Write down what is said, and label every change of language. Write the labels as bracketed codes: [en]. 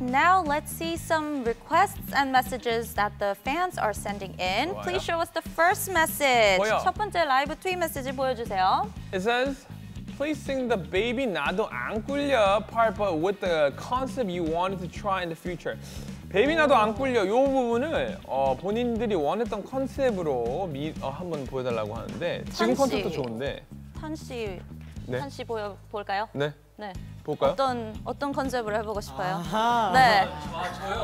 [en] Now let's see some requests and messages that the fans are sending in. [ko] 좋아요. [en] Please show us the first message. [ko] 뭐야? 첫 번째 라이브 트윗 메시지 보여주세요. [en] It says, please sing the baby [ko] 나도 안 꿀려 [en] part, but with the concept you wanted to try in the future. [ko] baby 나도 안 꿀려 이 부분을 본인들이 원했던 컨셉으로 한번 보여달라고 하는데 지금 컨셉도 좋은데. 탄씨, 네? 탄씨 볼까요? 네. 네. 볼까요? 어떤 컨셉으로 해보고 싶어요? 아하. 네. 저요?